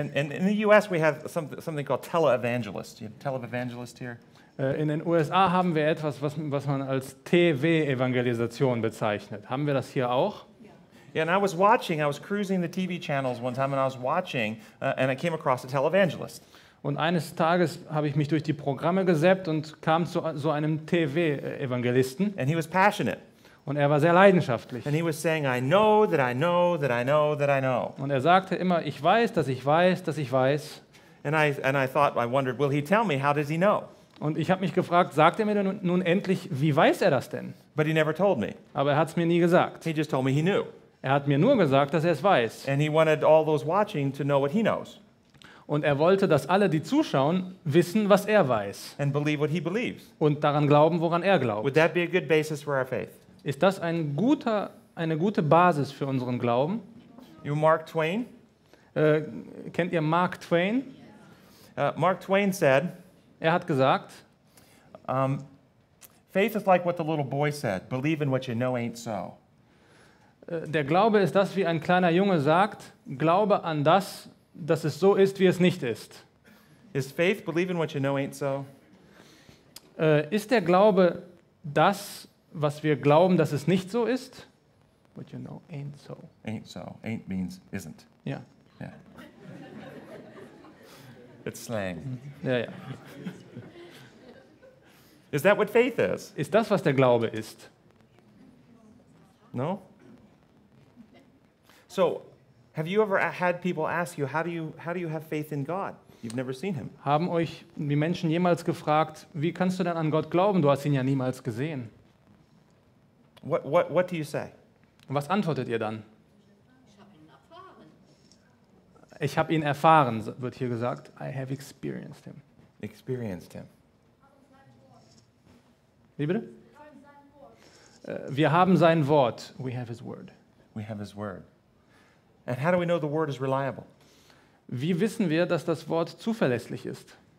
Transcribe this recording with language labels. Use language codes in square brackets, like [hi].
[en] And in the US we have something called televangelist. You have televangelist here? [de] In den USA haben wir etwas, was man als TV-Evangelisation bezeichnet. Haben wir das hier auch? [en] Yeah, and I was cruising the TV channels one time, and I was watching, and I came across a televangelist. [de] Und eines Tages habe ich mich durch die Programme gesappt und kam zu so einem TV-Evangelisten. [en] And he was passionate. [de] Und er war sehr leidenschaftlich. [en] And he was saying, I know that I know that I know that I know. [de] Und er sagte immer, ich weiß, dass ich weiß, dass ich weiß. [en] And I thought, I wondered, will he tell me, how does he know? [de] Und ich habe mich gefragt, sagt er mir denn nun endlich, wie weiß er das denn? [en] But he never told me. [de] Aber er hat es mir nie gesagt. [en] He just told me he knew. [de] Er hat mir nur gesagt, dass er es weiß. [en] And he wanted all those watching to know what he knows. [de] Und er wollte, dass alle, die zuschauen, wissen, was er weiß. [en] And believe what he believes. [de] Und daran glauben, woran er glaubt. [en] Would that be a good basis for our faith? [de] Ist das eine gute Basis für unseren Glauben? [en] You Mark Twain? [de] Kennt ihr Mark Twain? [en] Mark Twain said. [de] Er hat gesagt. [en] Faith is like what the little boy said. Believe in what you know ain't so. [de] Der Glaube ist das, wie ein kleiner Junge sagt, glaube an das, dass es so ist, wie es nicht ist. [en] Is faith believing what you know ain't so? [de] Ist der Glaube das, was wir glauben, dass es nicht so ist? [en] What you know ain't so. Ain't so. Ain't means isn't. [de] Ja. [en] Yeah. It's slang. [de] Ja, ja. [en] Is that what faith is? [de] Ist das, was der Glaube ist? [en] No? So, have you ever had people ask you, how do you have faith in God? You've never seen him. [de] Haben euch die Menschen jemals gefragt, wie kannst du denn an Gott glauben? Du hast ihn ja niemals gesehen. [en] What do you say? [de] Was antwortet ihr dann? Ich habe ihn erfahren. Ich habe ihn erfahren, wird hier gesagt. [en] I have experienced him. Experienced him. [de] Wie bitte? Wir haben sein Wort. [en] We have his word. We have his word. And how do we know the word is reliable? [de] Wie wissen wir, dass das Wort zuverlässig ist?